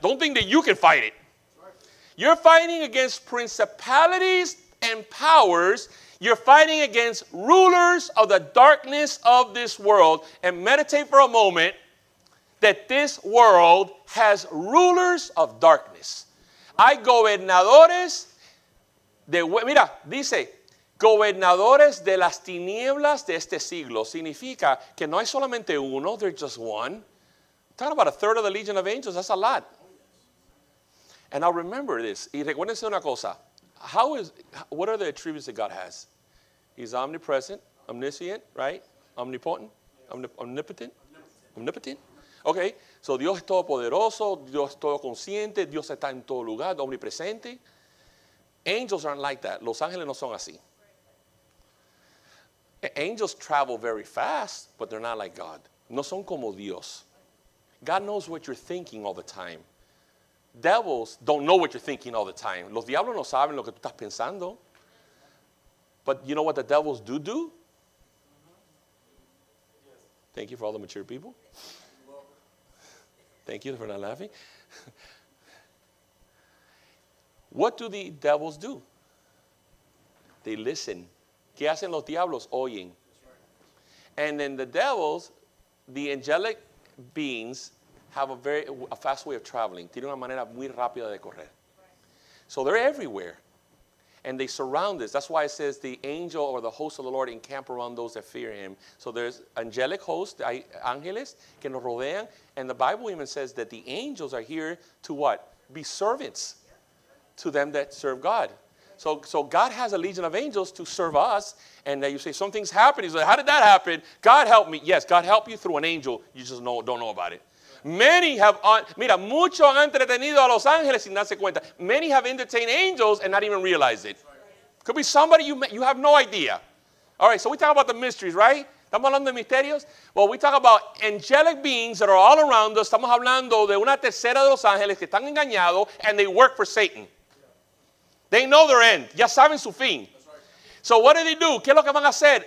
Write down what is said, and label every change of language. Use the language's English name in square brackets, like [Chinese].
[English] Don't think that you can fight it. You're fighting against principalities and powers. You're fighting against rulers of the darkness of this world. And meditate for a moment that this world has rulers of darkness. [Spanish] Hay gobernadores de, mira, dice, gobernadores de las tinieblas de este siglo. Significa que no hay solamente uno, [English] there's just one. Talk about a third of the legion of angels, that's a lot. And I'll remember this. [Spanish] Y recuérdense una cosa. [English] What are the attributes that God has? He's omnipresent, omniscient, right? Omnipotent, omnipotent, omnipotent. [Spanish] Okay, so Dios es todopoderoso, Dios es todo consciente, Dios está en todo lugar, omnipresente. [English] Angels aren't like that. [Spanish] Los ángeles no son así. [English] Angels travel very fast, but they're not like God. [Spanish] No son como Dios. [English] God knows what you're thinking all the time. Devils don't know what you're thinking all the time. [Spanish] Los diablos no saben lo que tú estás pensando. [English] But you know what the devils do do? Thank you for all the mature people. Thank you for not laughing. What do the devils do? They listen. [Spanish] ¿Qué hacen los diablos? Oyen. [English] And then the devils, the angelic beings, have a fast way of traveling. [Spanish] Tiene una manera muy rápida de correr. [English] So they're everywhere. And they surround us. That's why it says the angel or the host of the Lord encamp around those that fear him. So there's angelic hosts, [Spanish] hay ángeles que nos rodean. [English] And the Bible even says that the angels are here to what? Be servants to them that serve God. So God has a legion of angels to serve us. And you say, something's happening. He's like, how did that happen? God help me. Yes, God help you through an angel. You just don't know about it. Many have, [Spanish] mira, muchos han entretenido a los ángeles sin darse cuenta. [English] Many have entertained angels and not even realized it. Could be somebody you met, you have no idea. All right, so we talk about the mysteries, right? [Spanish] Estamos hablando de misterios. [English] Well, we talk about angelic beings that are all around us. [Spanish] Estamos hablando de una tercera de los ángeles que están engañados [English] and they work for Satan. They know their end. [Spanish] Ya saben su fin. [English] So what do they do? [Spanish] ¿Qué es lo que van a hacer?